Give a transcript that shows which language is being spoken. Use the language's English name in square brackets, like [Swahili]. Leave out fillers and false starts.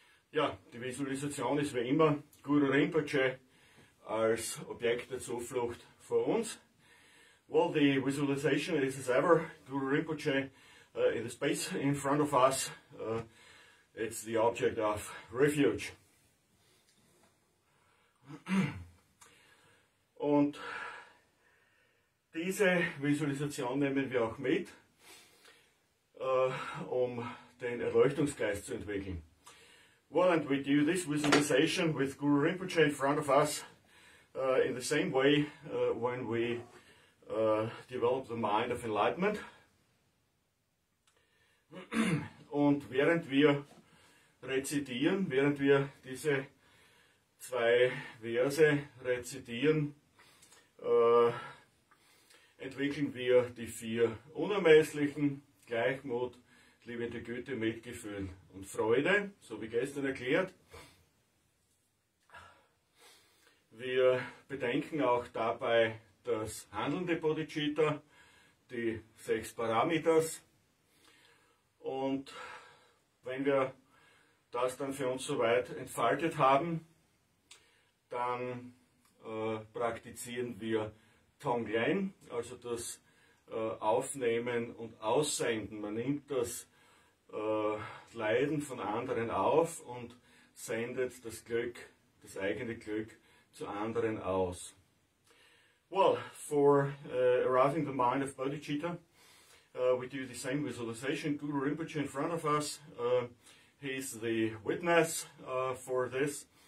[German] Ja, die Visualisation ist wie immer Guru Rinpoche als Objekt der Zuflucht vor uns. [English] Well, the visualization is as ever Guru Rinpoche in the space in front of us. It's the object of refuge. [German] Und diese Visualisation nehmen wir auch mit, um den Erleuchtungsgeist zu entwickeln. [English] Well, and we do this visualization with Guru Rinpoche in front of us in the same way when we develop the mind of enlightenment. [German] Und während wir rezitieren, während wir diese zwei Verse rezitieren, entwickeln wir die vier Unermesslichen, Gleichmut, liebende Güte, Mitgefühl und Freude, so wie gestern erklärt. Wir bedenken auch dabei das handelnde Bodhicitta, die sechs Parameters. Und wenn wir das dann für uns soweit entfaltet haben, dann praktizieren wir Tonglen, also das Aufnehmen und Aussenden. Man nimmt das Leiden von anderen auf und sendet das Glück, das eigene Glück zu anderen aus. [English] Well, for arousing the mind of Bodhicitta, we do the same visualization. Guru Rinpoche in front of us, he is the witness for this.